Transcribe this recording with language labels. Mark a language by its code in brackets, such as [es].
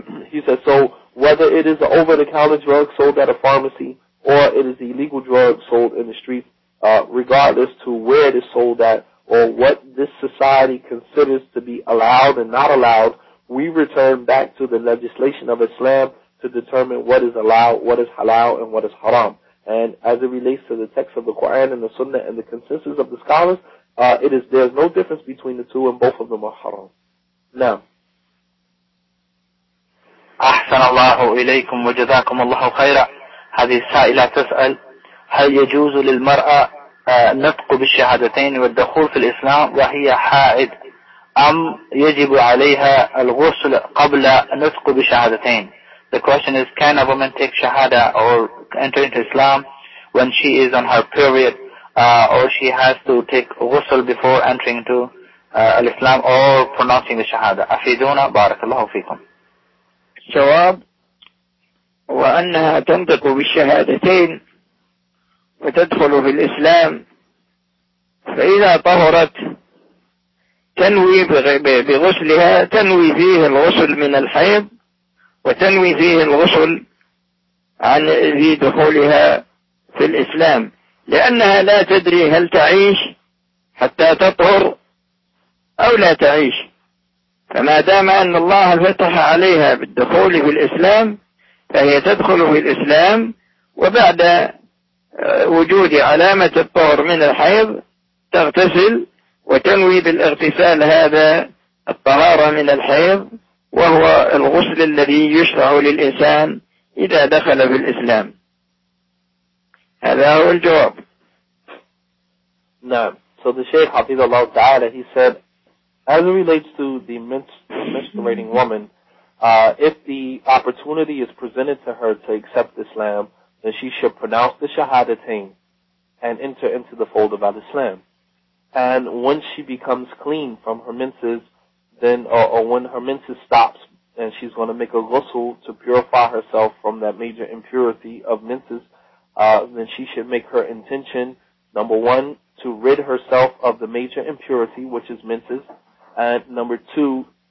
[en] He said, so whether it is an over-the-counter drug sold at a pharmacy or it is the illegal drug sold in the street, regardless to where it is sold at or what this society considers to be allowed and not allowed, we return back to the legislation of Islam to determine what is allowed, what is halal, and what is haram. And as it relates to the text of the Quran and the Sunnah and the consensus of the scholars, there's no difference between the two, and both of them are haram. Now. [ar] أحسن الله إليكم وجزاكم الله خيرا. هذه السائلة تسأل هل يجوز للمرأة نطق بالشهادتين والدخول في الإسلام وهي حائض أم يجب عليها الغسل قبل نطق بشهادتين. [en] The question is, can a woman take shahada or enter into Islam when she is on her period, or she has to take ghusl before entering into Islam or pronouncing the shahada? [ar] أفيدونا بارك الله فيكم. جواب وأنها تنطق بالشهادتين وتدخل في الإسلام فإذا طهرت تنوي بغسلها تنوي فيه الغسل من الحيض وتنوي فيه الغسل عن ذي دخولها في الإسلام لأنها لا تدري هل تعيش حتى تطهر أو لا تعيش فما دام أن الله فتح عليها بالدخول في الإسلام فهي تدخل في الإسلام وبعد وجود علامة الطهر من الحيض تغتسل وتنوي بالاغتسال هذا الطهارة من الحيض وهو الغسل الذي يشرع للإنسان إذا دخل في الإسلام هذا هو الجواب نعم [en] So the Shaykh [ar] حفظ الله تعالى [en] he said as it relates to the menstruating woman if the opportunity is presented to her to accept Islam then she should pronounce the shahadatain and enter into the fold of Islam and when she becomes clean from her menses then or when her menses stops and she's going to make a ghusl to purify herself from that major impurity of menses then she should make her intention number one to rid herself of the major impurity which is menses and number two